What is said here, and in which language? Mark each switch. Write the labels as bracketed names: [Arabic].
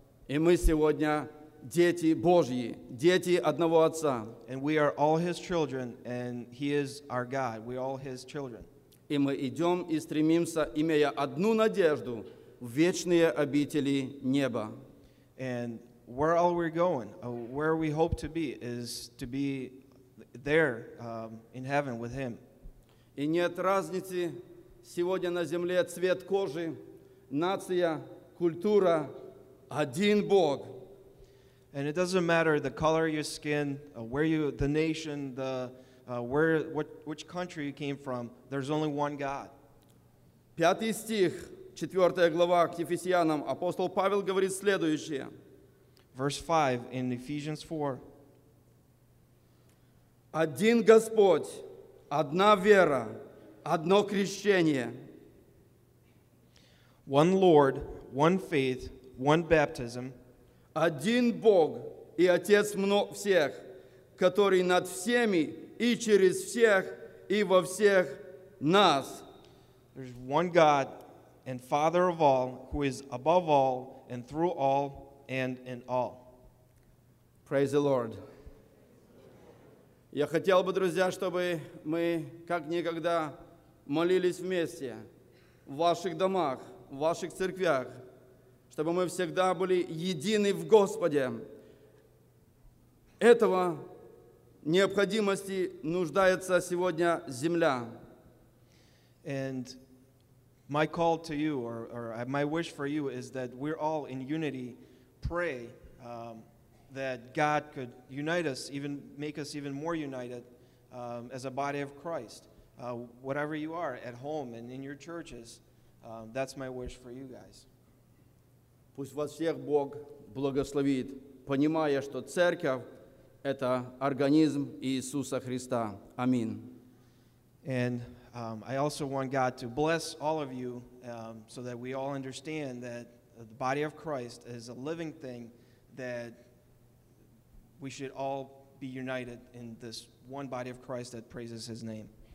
[Russian] И мы сегодня дети Божьи, дети одного Отца. [English] And we are all His children, and He is our God. We are all His children. [Russian] И мы идем и стремимся, имея одну надежду, в вечные обители неба. [English] And where all we're going, where we hope to be, is to be there in heaven with Him. [Russian] И нет разницы сегодня на земле цвет кожи, нация, культура, один Бог. [English] And it doesn't matter the color of your skin, where you, the nation, the where, what, which country you came from. There's only one God. [Russian] Пятый стих, четвертая глава к Ефесянам. Апостол Павел говорит следующее. [English] Verse 5 in Ephesians 4. [Russian] Один Господь, одна вера, одно крещение. [English] One Lord, one faith, one baptism. [Russian] Один Бог и Отец всех, который над всеми и через всех и во всех нас. [English] There's one God and Father of all, who is above all and through all and in all. Praise the Lord. [Russian] Я хотел бы, друзья, чтобы мы как никогда молились вместе в ваших домах, в ваших церквях, чтобы мы всегда были едины в Господе. Этого необходимости нуждается сегодня земля. [English] And my call to you, or my wish for you, is that we're all in unity, pray that God could unite us, even make us even more united as a body of Christ. Whatever you are, at home and in your churches, that's my wish for you guys. [Russian] Пусть вас всех Бог благословит, понимая, что церковь – это организм Иисуса Христа. Амин. [English] And I also want God to bless all of you so that we all understand that the body of Christ is a living thing, that we should all be united in this one body of Christ that praises His name.